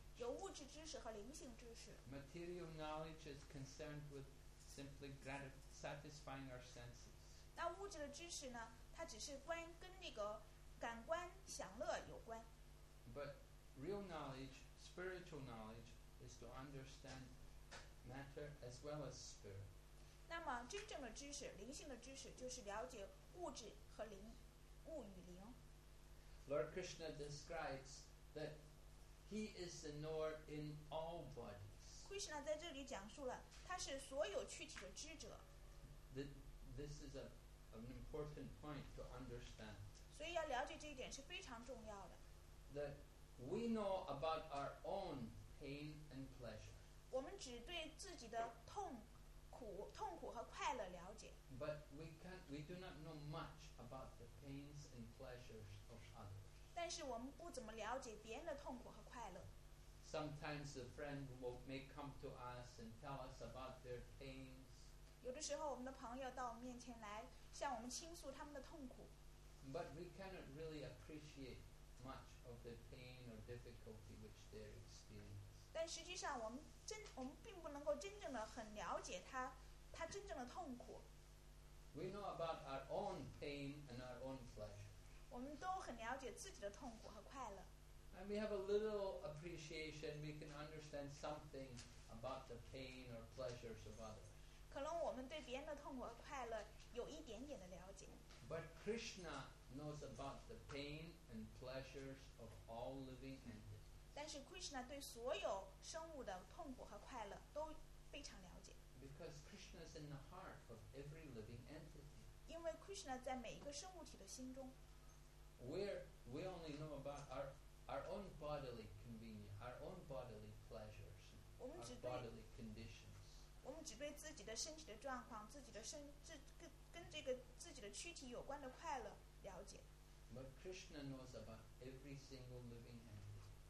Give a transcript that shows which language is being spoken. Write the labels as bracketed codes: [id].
[zh] 有物质知识和灵性知识。 [en] Material knowledge is concerned with simply satisfying our senses. [zh] 那物质的知识呢？它只是跟那个感官享乐有关。 [en] But real knowledge, spiritual knowledge, is to understand matter as well as spirit. [zh] 那么真正的知识，灵性的知识，就是了解物质和灵，物与灵。 [en] Lord Krishna describes that he is the knower in all bodies. [zh] Krishna 在这里讲述了他是所有躯体的知者。 [en] This is an important point to understand. [zh] 所以要了解这一点是非常重要的。 [en] That we know about our own pain and pleasure. [zh] 我们只对自己的痛苦和快乐了解。 [en] But we do not know much about the pains and pleasures of others. [zh] 但是我们不怎么了解别人的痛苦和快乐。 [en] Sometimes a friend may come to us and tell us about their pains. [zh] 有的时候我们的朋友到我们面前来向我们倾诉他们的痛苦。 [en] But we cannot really appreciate much of the pain or difficulty which they're experiencing. [zh] 但实际上我们并不能够真正的很了解他真正的痛苦。 [en] We know about our own pain and our own pleasure. [zh] 我们都很了解自己的痛苦和快乐。 [en] And we have a little appreciation, we can understand something about the pain or pleasures of others. [zh] 可能我们对别人的痛苦和快乐有一点点的了解。 [en] But Krishna knows about the pain and pleasures of all living entities. [zh] 但是 Krishna 对所有生物的痛苦和快乐都非常了解。 [en] Because Krishna is in the heart of every living entity. [zh] 因为 Krishna 在每一个生物体的心中。 [en] We only know about our own bodily convenience, our own bodily pleasures, our bodily conditions. [zh] 我们只对自己的身体的状况，自己的身这跟这个自己的躯体有关的快乐了解。 [en] But Krishna knows about every single living entity.